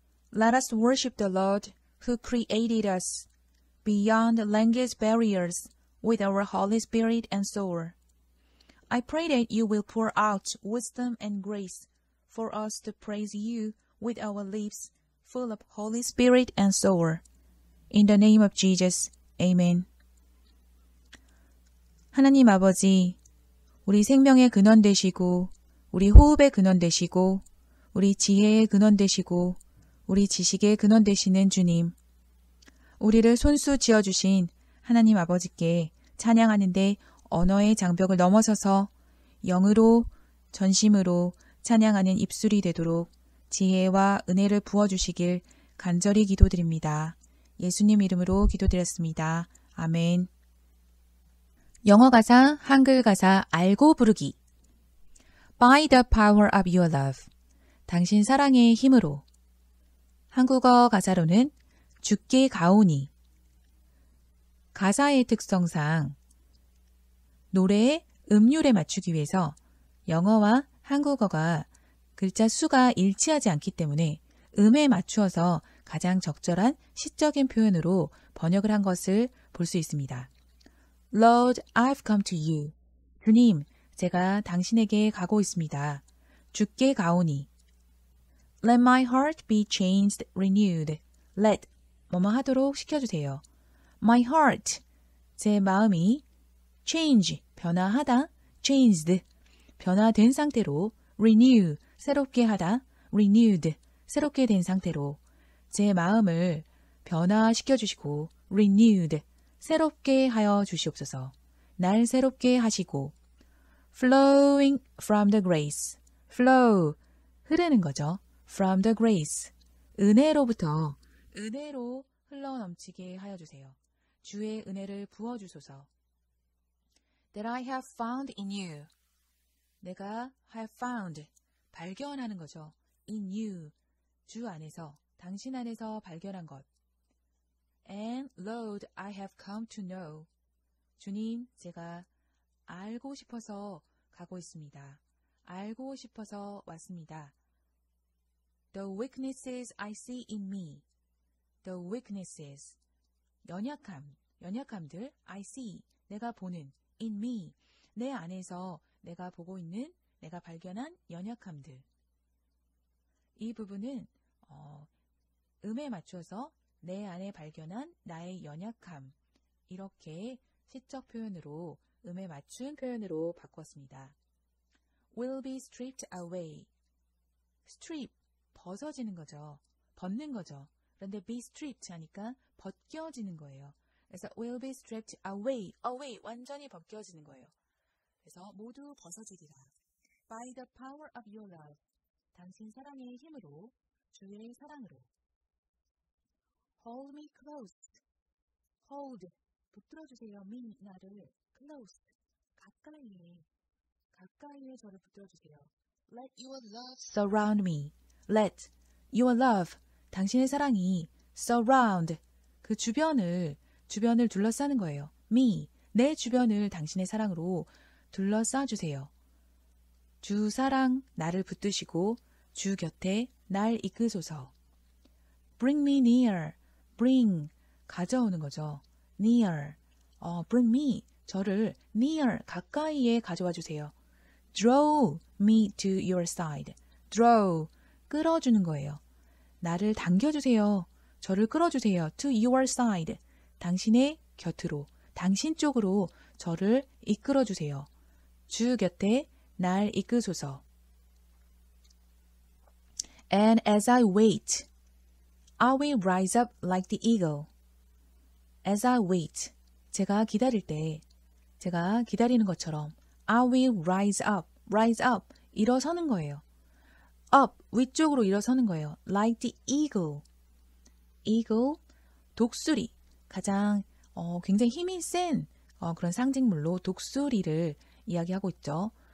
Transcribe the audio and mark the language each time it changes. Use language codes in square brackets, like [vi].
[en] Let us worship the Lord who created us beyond language barriers with our Holy Spirit and soul. I pray that you will pour out wisdom and grace for us to praise you with our lips full of Holy Spirit and soul. In the name of Jesus, Amen. [ko] 하나님 아버지, 우리 생명의 근원 되시고, 우리 호흡의 근원 되시고, 우리 지혜의 근원 되시고, 우리 지식의 근원 되시는 주님. 우리를 손수 지어주신 하나님 아버지께 찬양하는데 언어의 장벽을 넘어서서 영으로, 전심으로 찬양하는 입술이 되도록 지혜와 은혜를 부어주시길 간절히 기도드립니다. 예수님 이름으로 기도드렸습니다. 아멘. 영어 가사, 한글 가사, 알고 부르기. [en] By the power of your love. [ko] 당신 사랑의 힘으로. 한국어 가사로는 죽게 가오니. 가사의 특성상 노래의 음률에 맞추기 위해서 영어와 한국어가 글자 수가 일치하지 않기 때문에 음에 맞추어서 가장 적절한 시적인 표현으로 번역을 한 것을 볼 수 있습니다. [en] Lord, I've come to you. [ko] 주님, 제가 당신에게 가고 있습니다. 주께 가오니. [en] Let my heart be changed, renewed. [ko] Let, 뭐뭐 하도록 시켜주세요. [en] My heart, [ko] 제 마음이 change, 변화하다, changed, 변화된 상태로 renew, 새롭게 하다, renewed, 새롭게 된 상태로 제 마음을 변화시켜주시고 renewed, 새롭게 하여 주시옵소서. 날 새롭게 하시고. [en] Flowing from the grace. Flow. [ko] 흐르는 거죠. [en] From the grace. [ko] 은혜로부터 은혜로 흘러넘치게 하여 주세요. 주의 은혜를 부어주소서. [en] That I have found in you. [ko] 내가 [en] have found. [ko] 발견하는 거죠. [en] In you. [ko] 주 안에서, 당신 안에서 발견한 것. And Lord, I have come to know. 주님, 제가 알고 싶어서 가고 있습니다. 알고 싶어서 왔습니다. [en] The weaknesses I see in me. The weaknesses. [ko] 연약함, 연약함들. [en] I see. [ko] 내가 보는. [en] In me. [ko] 내 안에서 내가 보고 있는, 내가 발견한 연약함들. 이 부분은 음에 맞춰서 내 안에 발견한 나의 연약함, 이렇게 시적 표현으로 음에 맞춘 표현으로 바꿨습니다. [en] Will be stripped away. [ko] Strip, 벗어지는 거죠. 벗는 거죠. 그런데 [en] be stripped [ko] 하니까 벗겨지는 거예요. 그래서 [en] will be stripped away. [ko] Away, 완전히 벗겨지는 거예요. 그래서 모두 벗어지리라. [en] By the power of your love. [ko] 당신 사랑의 힘으로, 주님의 사랑으로. [en] Hold me close. Hold. [ko] 붙들어주세요. [en] Mean [ko] 나를. [en] Close. [ko] 가까이에. 가까이에 저를 붙들어주세요. [en] Let your love surround me. Let your love. [ko] 당신의 사랑이 surround. 그 주변을 둘러싸는 거예요. [en] Me. [ko] 내 주변을 당신의 사랑으로 둘러싸주세요. 주 사랑 나를 붙드시고 주 곁에 날 이끄소서. [en] Bring me near. Bring. [ko] 가져오는 거죠. [en] Near. Bring me. [ko] 저를 near. 가까이에 가져와 주세요. [en] Draw me to your side. Draw. [ko] 끌어주는 거예요. 나를 당겨주세요. 저를 끌어주세요. [en] To your side. [ko] 당신의 곁으로. 당신 쪽으로 저를 이끌어주세요. 주 곁에 날 이끄소서. [en] And as I wait, I will rise up like the eagle. As I wait, [ko] 제가 기다릴 때, 제가 기다리는 것처럼 [en] I will rise up, rise up, [ko] 일어서는 거예요. [en] Up, [ko] 위쪽으로 일어서는 거예요. [en] Like the eagle. [ko] Eagle, 독수리, 가장 굉장히 힘이 센 그런 상징물로 독수리를 이야기하고 있죠.